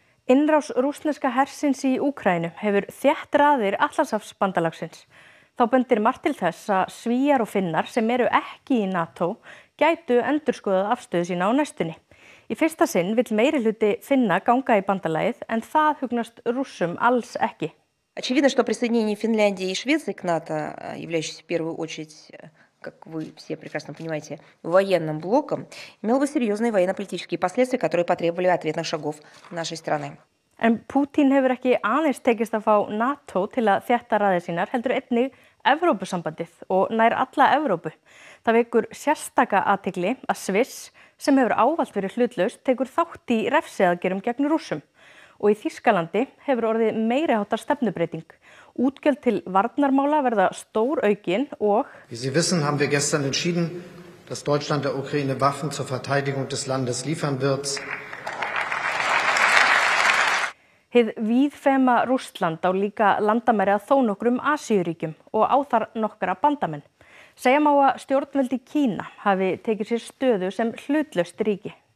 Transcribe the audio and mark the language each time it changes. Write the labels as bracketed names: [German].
[Icelandic] Innrás rússneska hersins í Úkraínu hefur þétt raðir Atlantshafsbandalagsins. Þá bendir margt til þess að Svíar og Finnar sem eru ekki í NATO gætu endurskoðað afstöðu sína á næstunni. Í fyrsta sinn vill meiri hluti Finna ganga í bandalagið en það hugnast Rússum alls ekki. [Russian] Очевидно, что присоединение Финляндии и Швеции к НАТО, являющееся в первую очередь, как вы все прекрасно понимаете, военным блоком, имело бы серьёзные военно-политические последствия, которые потребовали ответных шагов нашей страны. [Icelandic] En Pútín hefur ekki aðeins tekist að fá NATO til að þétta raðir sínar, heldur einnig Evrópusambandið og nær alla Evrópu. Það vekur sérstaka athygli að Sviss, sem hefur ávallt verið hlutlaust, tekur þátt í refsiaðgerðum gegn Rússum. Og í Þýskalandi hefur orðið meiri háttar stefnubreyting. Útgjöld til varnarmála verða stór aukin og... [German] Wie Sie wissen, haben wir gestern entschieden, dass Deutschland der Ukraine Waffen zur Verteidigung des Landes liefern wird. [Icelandic] Hið víðfema Rússland á líka landamæri að þó nokkrum Asíuríkjum og á þar nokkra bandamenn. Segjum á að stjórnvöld í Kína hafi tekið sér stöðu sem hlutlaust ríki.